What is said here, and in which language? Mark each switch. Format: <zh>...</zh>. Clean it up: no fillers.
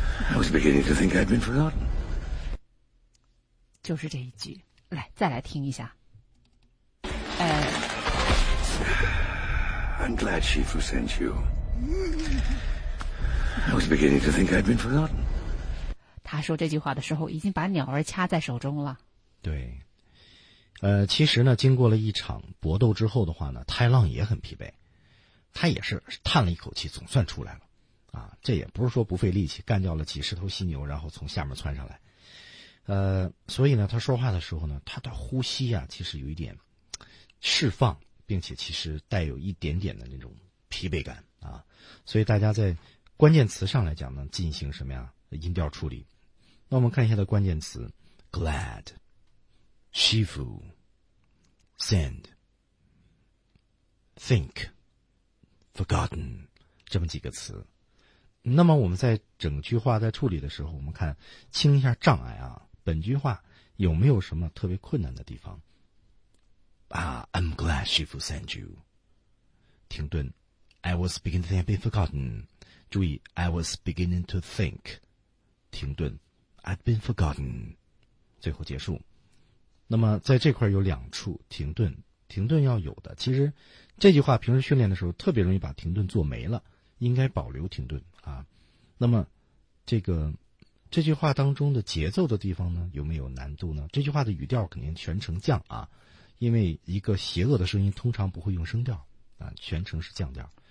<en>I was beginning to think I'd been forgotten.</en> <zh>就是这一句，来再来听一下。</zh> <en>I'm glad Shifu sent you. I was beginning to think I'd been forgotten.</en> <zh>他说这句话的时候已经把鸟儿掐在手中了。对。其实呢经过了一场搏斗之后的话呢，太郎也很疲惫。他也是叹了一口气，总算出来了。啊，这也不是说不费力气干掉了几十头犀牛然后从下面窜上来。所以呢他说话的时候呢，他的呼吸啊其实有一点释放，并且其实带有一点点的那种疲惫感啊。所以大家在关键词上来讲呢，进行什么呀？音调处理。那我们看一下的关键词 ：</zh> <en>glad, Shifu, send, think, forgotten，</en> <zh>这么几个词。那么我们在整句话在处理的时候，我们看清一下障碍啊。本句话有没有什么特别困难的地方？</zh> <en>啊、，I'm glad Shifu sent you。</en> <zh>停顿</zh> <en>，I was beginning to think I'd been forgotten。</en> <zh>注意</zh> <en>I was beginning to think</en> <zh>停顿</zh> <en>I'd been forgotten</en> <zh>最后结束。那么在这块有两处停顿，停顿要有的。其实这句话平时训练的时候特别容易把停顿做没了，应该保留停顿啊。那么这句话当中的节奏的地方呢，有没有难度呢？这句话的语调肯定全程降啊，因为一个邪恶的声音通常不会用声调啊，全程是降调。</zh>